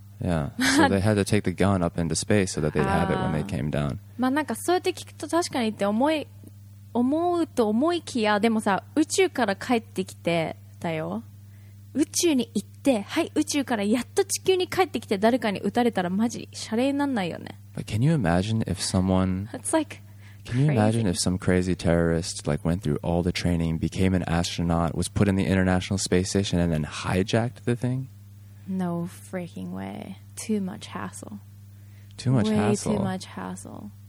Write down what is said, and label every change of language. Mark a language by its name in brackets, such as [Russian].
[English] Yeah, so they had to take the gun up into space so that they'd have it when they came down. [Japanese] まあなんかそうやって聞くと確かにって思うと思いきや、でもさ、宇宙から帰ってきてだよ。宇宙に行って、はい、宇宙からやっと地球に帰ってきて誰かに撃たれたらマジシャレになんないよね。 [English] But can you imagine if someone? It's like, can you imagine if some crazy terrorist like went through all the training, became an astronaut, was put in the International Space Station, and then hijacked the thing? No freaking way. Too much hassle. Too much way hassle. Way too much hassle.